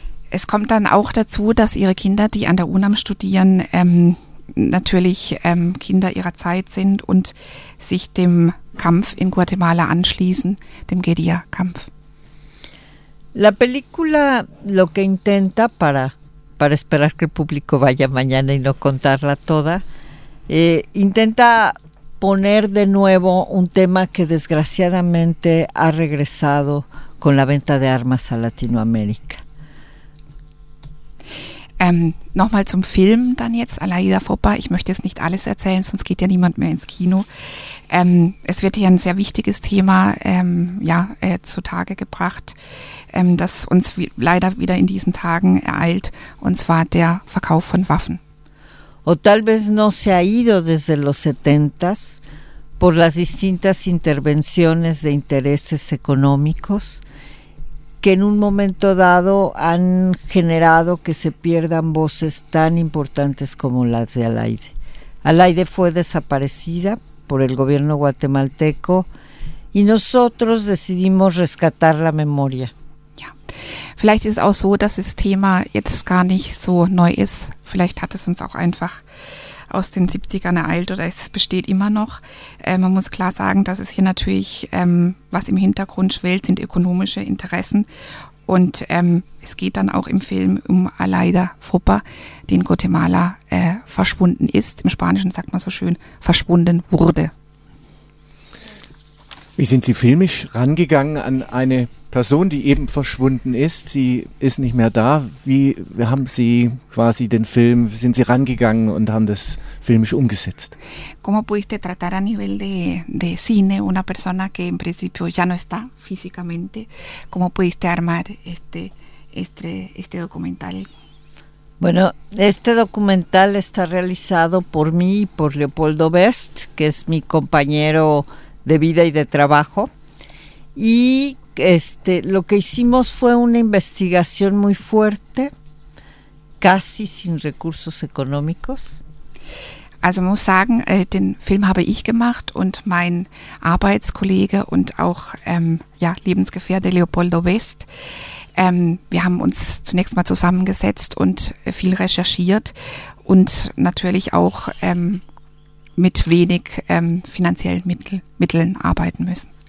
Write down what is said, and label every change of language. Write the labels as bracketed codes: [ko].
[de] Es kommt dann auch dazu, dass ihre Kinder, die an der UNAM studieren, natürlich Kinder ihrer Zeit sind und sich dem Kampf in Guatemala anschließen, dem Guerilla-Kampf. [es] La película lo que intenta para esperar que el público vaya mañana y no contarla toda, intenta poner de nuevo un tema que desgraciadamente ha regresado con la venta de armas a Latinoamérica. [de] Nochmal zum Film dann jetzt, Alaida Fopa. Ich möchte jetzt nicht alles erzählen, sonst geht ja niemand mehr ins Kino. Es wird hier ein sehr wichtiges Thema zutage gebracht, das uns leider wieder in diesen Tagen ereilt, und zwar der Verkauf von Waffen. [es] O tal vez no se ha ido desde los 70s por las distintas intervenciones de intereses económicos, que en un momento dado han generado que se pierdan voces tan importantes como las de Alaide. Alaide fue desaparecida por el gobierno guatemalteco y nosotros decidimos rescatar la memoria. [de] Ja, vielleicht ist auch so, dass das Thema jetzt gar nicht so neu ist. Vielleicht hat es uns auch einfach aus den 70ern ereilt, oder es besteht immer noch. Man muss klar sagen, dass es hier natürlich, was im Hintergrund schwelt, sind ökonomische Interessen. Und es geht dann auch im Film um Alaida Fopa, die in Guatemala verschwunden ist. Im Spanischen sagt man so schön, verschwunden wurde. Wie sind Sie filmisch rangegangen an eine Person, die eben verschwunden ist? Sie ist nicht mehr da. Wie haben Sie quasi den Film, sind Sie rangegangen und haben das filmisch umgesetzt? [es] ¿Cómo pudiste tratar a nivel de cine una persona que en principio ya no está físicamente? ¿Cómo pudiste armar este documental? Bueno, este documental está realizado por mí y por Leopoldo Best, que es mi compañero de vida y de trabajo. Y lo que hicimos fue una investigación muy fuerte, casi sin recursos económicos. [de] Also muss sagen, den Film habe ich gemacht und mein Arbeitskollege und auch Lebensgefährte Leopoldo West. Wir haben uns zunächst mal zusammengesetzt und viel recherchiert und natürlich auch mit wenig finanziellen Mitteln arbeiten müssen.